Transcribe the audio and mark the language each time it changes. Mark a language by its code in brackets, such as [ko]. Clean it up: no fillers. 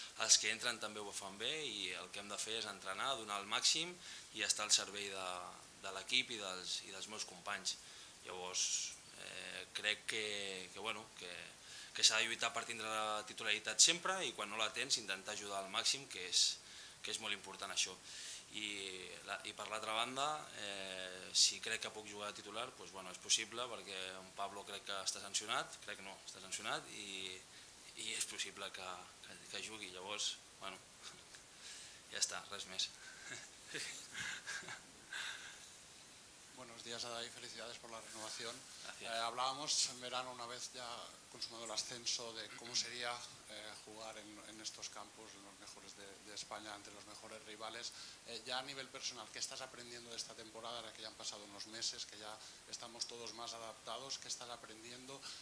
[ca] Els que entren també ho fan bé, i el que hem de fer és entrenar, donar el màxim i estar al servei de l'equip i dels meus companys. Llavors, crec que s'ha de lluitar per tindre la titularitat sempre, i quan no la tens intentar ajudar al màxim, que és molt important això. [es] Y para la otra banda, si cree que puedo jugar a titular, pues bueno, es posible, porque Pablo cree que está sancionado, cree que no, está sancionado, y es posible que jugui. [ca] Llavors, bueno, [es] ya está, [ca] res més. [es] Buenos días, Adai, felicidades por la renovación. Hablábamos en verano, una vez ya consumado el ascenso, de cómo sería jugar en estos campos, en los mejores de España, ante los mejores rivales. Ya a nivel personal, ¿qué estás aprendiendo de esta temporada, ahora que ya han pasado unos meses, que ya estamos todos más adaptados? ¿Qué estás aprendiendo?